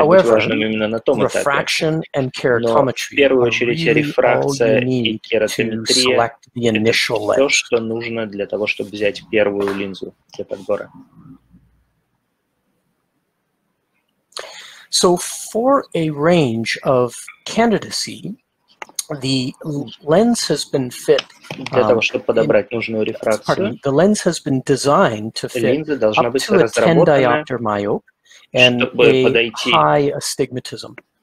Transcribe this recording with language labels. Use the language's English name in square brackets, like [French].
[English] However, refraction and keratometry are really all you need to select the initial lens. So for a range of candidacy, the lens has been fit [Russian] для того, чтобы подобрать нужную рефракцию. [English] Pardon, the lens has been designed to fit up to a 10 diopter myope and a high astigmatism.